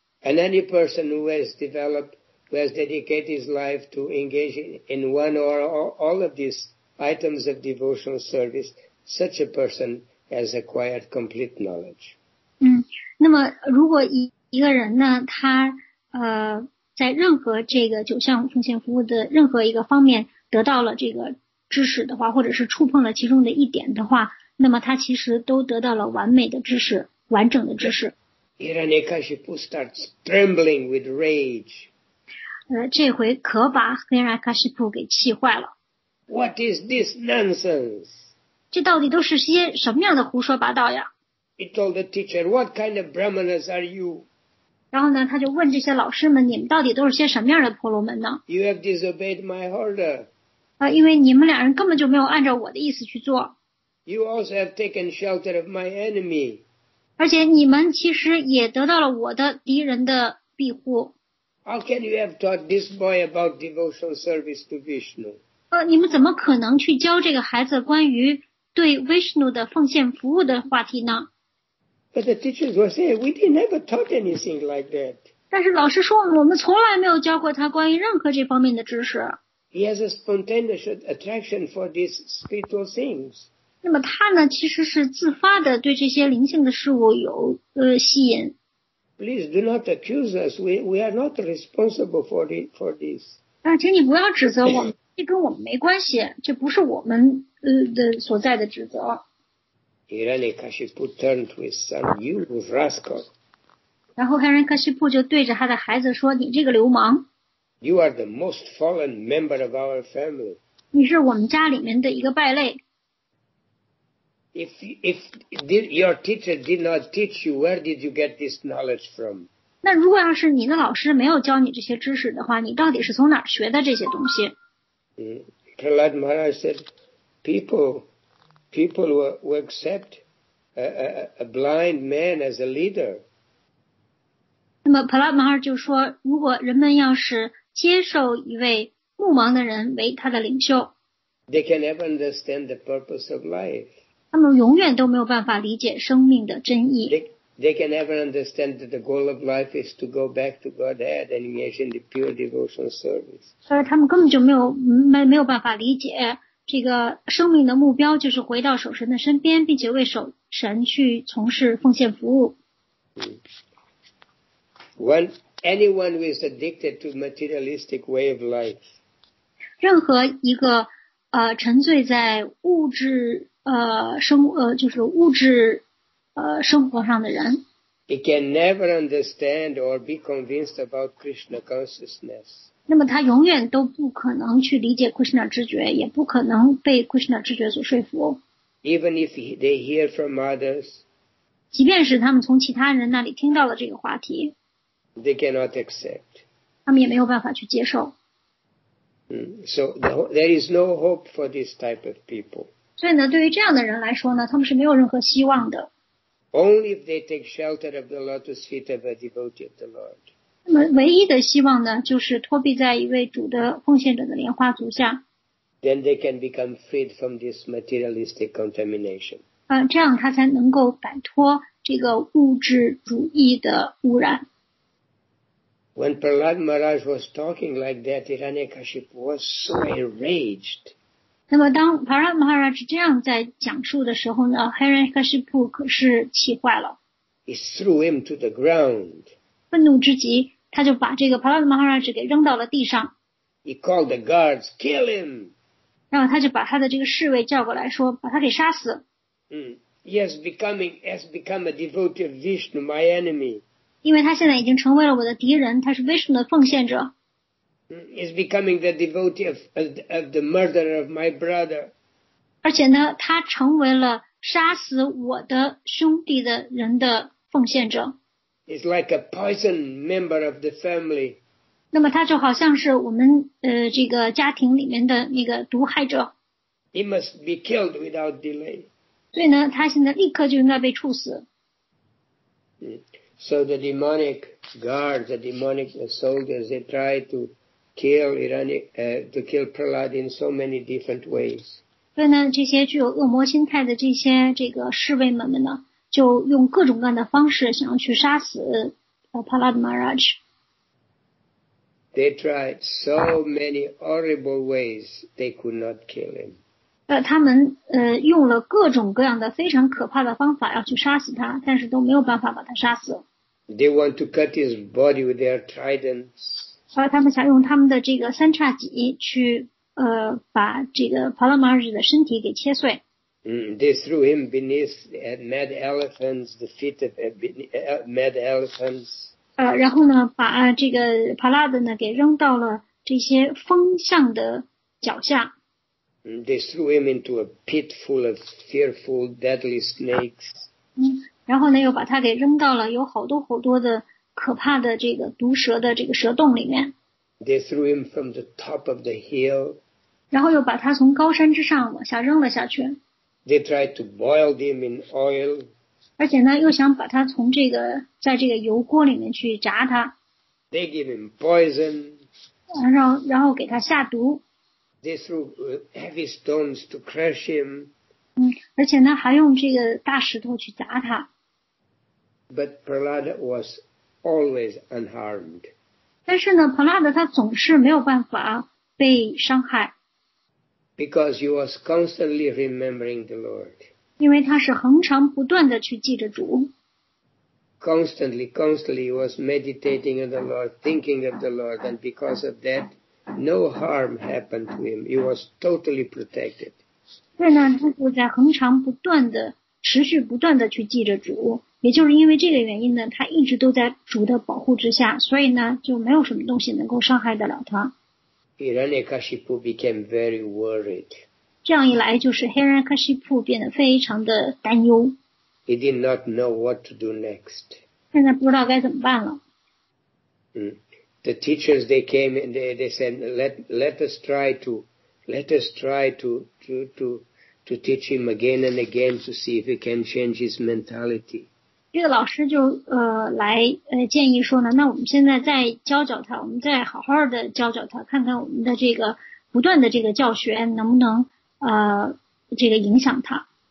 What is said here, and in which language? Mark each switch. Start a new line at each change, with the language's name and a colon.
English: And any person who has developed who has dedicated his life to engage in one or all of these items of devotional service, such a person has acquired complete knowledge.
Chinese: 那么如果一个人呢，他在任何这个九项奉献服务的任何一个方面得到了这个知识的话，或者是触碰了其中的一点的话，那么他其实都得到了完美的知识，完整的知识。
English: Hiranyakashipu starts trembling with rage.
Chinese: 这回可把 Hiranyakashipu 给气坏了。
English: What is this nonsense?
Chinese: 这到底都是些什么样的胡说八道呀？
English: He told the teacher, what kind of brahmanas are you?
Chinese: 然后呢，他就问这些老师们，你们到底都是些什么样的婆罗门呢？
English: You have disobeyed my order.
Chinese: 因为你们两人根本就没有按照我的意思去做。
English: You also have taken shelter of my enemy.
Chinese: 而且你们其实也得到了我的敌人的庇护。
English: How can you have taught this boy about devotional service to Vishnu?
Chinese: 你们怎么可能去教这个孩子关于对 Vishnu 的奉献服务的话题呢？
English: But the teachers were saying, we didn't ever taught anything like that.
Chinese: 但是老师说我们从来没有教过他关于任何这方面的知识。
English: He has a spontaneous attraction for these spiritual things.
Chinese: 那么他呢，其实是自发的对这些灵性的事物有吸引。
English: Please do not accuse us. We are not responsible for this.
Chinese: 请你不要指责我们，这跟我们没关系，这不是我们的所在的指责。
English: Hiranyakashipu turned to his son, "You rascal!"
Chinese: 然后 Hiranyakashipu 就对着他的孩子说，你这个流氓。
English: You are the most fallen member of our family.
Chinese: 你是我们家里面的一个败类。
English: If your teacher did not teach you, where did you get this knowledge from?
Chinese: 那如果要是你的老师没有教你这些知识的话，你到底是从哪儿学的这些东西？
English: Prahlad Maharaj said, people will accept a blind man as a leader.
Chinese: 那么 Prahlad Maharaj 就说，如果人们要是接受一位目盲的人为他的领袖，
English: they can never understand the purpose of life.
Chinese: 他们永远都没有办法理解生命的真意。
English: They can never understand that the goal of life is to go back to Godhead and engage in the pure devotional service.
Chinese: 所以他们根本就没有办法理解这个生命的目标就是回到守神的身边，并且为守神去从事奉献服务。
English: One Anyone who is addicted to materialistic way of life.
Chinese: 任何一个沉醉在物质生就是物质生活上的人。
English: He can never understand or be convinced about Krishna consciousness.
Chinese: 那么他永远都不可能去理解 Krishna 知觉，也不可能被 Krishna 知觉所说服。
English: Even if they hear from others,
Chinese: 即便是他们从其他人那里听到了这个话题，
English: they cannot accept.
Chinese: 他们也没有办法去接受。
English: So there is no hope for this type of people.
Chinese: 所以呢，对于这样的人来说呢，他们是没有任何希望的。
English: Only if they take shelter of the lotus feet of a devotee of the Lord.
Chinese: 那么唯一的希望呢，就是托庇在一位主的奉献者的莲花足下。
English: Then they can become freed from this materialistic contamination.
Chinese: 这样他才能够摆脱这个物质主义的污染。
English: When Prahlad Maharaj was talking like that, Hiranyakashipu was so enraged.
Chinese: 那么当 Prahlad Maharaj 这样在讲述的时候呢， Hiranyakashipu 可是气坏了。
English: He threw him to the ground.
Chinese: 愤怒之极，他就把这个 Prahlad Maharaj 给扔到了地上。
English: He called the guards, kill him!
Chinese: 然后他就把他的这个侍卫叫过来说，把他给杀死。
English: He has become a devotee of Vishnu, my enemy.
Chinese: 因为他现在已经成为了我的敌人，他是 Vishnu 的奉献者。
English: He's becoming the devotee of the murderer of my brother.
Chinese: 而且呢，他成为了杀死我的兄弟的人的奉献者。
English: He's like a poison member of the family.
Chinese: 那么他就好像是我们这个家庭里面的那个毒害者。
English: He must be killed without delay.
Chinese: 所以呢，他现在立刻就应该被处死。
English: So the demonic guards, the demonic soldiers, they try to kill Irani, to kill Prahlad in so many different ways.
Chinese: 所以呢，这些具有恶魔心态的这些这个侍卫们呢，就用各种各样的方式想要去杀死Prahlad Maharaj.
English: They tried so many horrible ways, they could not kill him.
Chinese: 他们用了各种各样的非常可怕的方法要去杀死他，但是都没有办法把他杀死。
English: They want to cut his body with their tridents.
Chinese: 他们想用他们的这个三叉戟去把这个 Prahlad Maharaj 的身体给切碎。
English: They threw him beneath mad elephants, the feet of mad elephants.
Chinese: 然后呢，把这个 Prahlad 呢给扔到了这些风象的脚下。
English: They threw him into a pit full of fearful, deadly snakes.
Chinese: 然后呢，又把他给扔到了有好多好多的可怕的这个毒蛇的这个蛇洞里面。
English: They threw him from the top of the hill.
Chinese: 然后又把他从高山之上往下扔了下去。
English: They tried to boil him in oil.
Chinese: 而且呢，又想把他从这个在这个油锅里面去炸他。
English: They gave him poison.
Chinese: 然后给他下毒。
English: They threw heavy stones to crush him.
Chinese: 而且呢，还用这个大石头去砸他。
English: But Prahlad was always unharmed.
Chinese: 但是呢，普拉德他总是没有办法被伤害。
English: Because he was constantly remembering the Lord.
Chinese: 因为他是恒常不断的去记着主。
English: Constantly he was meditating on the Lord, thinking of the Lord, and because of that, no harm happened to him. He was totally protected.
Chinese: 所以呢，他就在恒常不断的、持续不断的去记着主，也就是因为这个原因呢，他一直都在主的保护之下，所以呢，就没有什么东西能够伤害得了他。
English: Hiranyakashipu became very worried.
Chinese: 这样一来，就是 Hiranyakashipu 变得非常的担忧。
English: He did not know what to do next.
Chinese: 现在不知道该怎么办了。
English: The teachers, they came and they said, let us try to teach him again and again to see if he can change his mentality.
Chinese: 这个老师就建议说呢，那我们现在再教教他，我们再好好的教教他，看看我们的这个不断的这个教学能不能这个影响他。